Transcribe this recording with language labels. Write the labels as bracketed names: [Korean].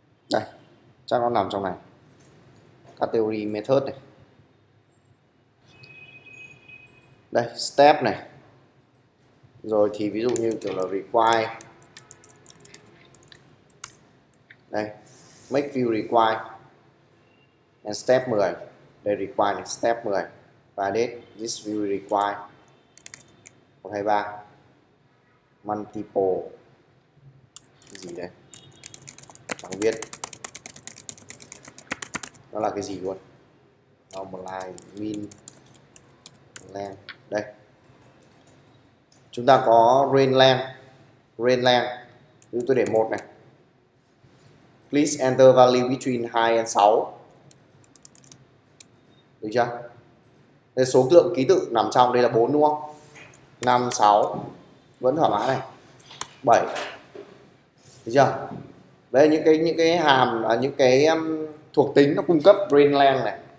[Vietnamese] Đây. Chắc nó nằm trong này. Category method này. Đây. Step này. Rồi thì ví dụ như kiểu là require. [English] Đây, make view require and step 10. [Vietnamese] Đây require này, step 10. [English] Validate this view require 123 multiple [Vietnamese] cái gì đây? Chẳng biết. Nó là cái gì luôn. Normalize min length. Đây. Chúng ta có range length. Range length. Như tôi để 1 này. [English] Please enter value between 2 and 6. [Vietnamese] Được chưa? Thế số lượng ký tự nằm trong đây là 4 đúng không? 5, 6. Vẫn thỏa mãn này. 7. Được chưa? Đây là những cái hàm, những cái thuộc tính nó cung cấp range length này.